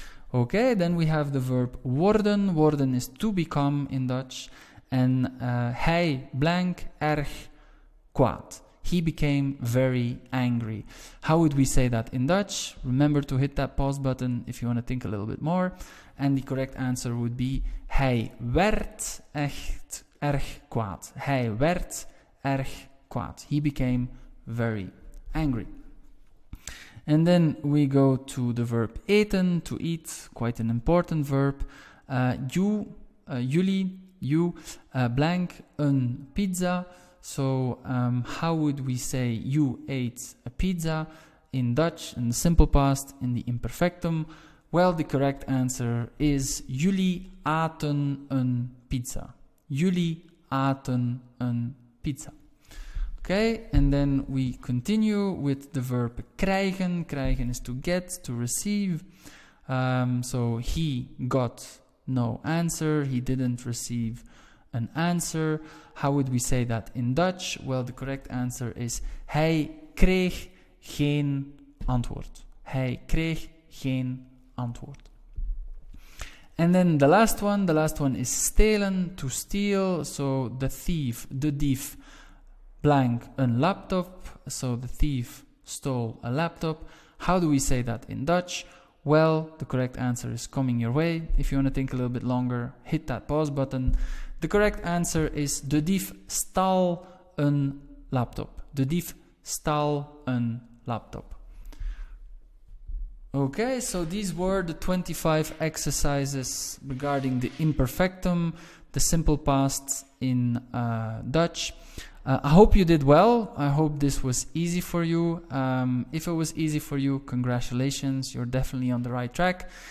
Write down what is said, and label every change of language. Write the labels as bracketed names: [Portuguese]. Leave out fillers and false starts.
[English] Okay, then we have the verb worden. Worden is to become in Dutch. And [Dutch] hij blank erg kwaad. [English] He became very angry. How would we say that in Dutch? Remember to hit that pause button if you want to think a little bit more. And the correct answer would be [Dutch] hij werd echt erg kwaad. Hij werd erg kwaad. [English] He became very angry. And then we go to the verb eten, to eat, quite an important verb. [Dutch] Jullie blank een pizza. [English] So how would we say you ate a pizza in Dutch in the simple past, in the imperfectum? Well, the correct answer is [Dutch] jullie aten een pizza. Jullie aten een pizza. [English] Okay, and then we continue with the verb krijgen. Krijgen is to get, to receive. So he got no answer. He didn't receive an answer. How would we say that in Dutch? Well, the correct answer is [Dutch] hij kreeg geen antwoord. Hij kreeg geen antwoord. [English] And then the last one is stelen, to steal. So the thief. Blank [Dutch] een laptop, [English] so the thief stole a laptop. How do we say that in Dutch? Well, the correct answer is coming your way. If you want to think a little bit longer, hit that pause button. The correct answer is [Dutch] de dief stal een laptop. De dief stal een laptop. [English] Okay, so these were the 25 exercises regarding the imperfectum, the simple past in Dutch. I hope you did well. I hope this was easy for you. If it was easy for you, congratulations, you're definitely on the right track.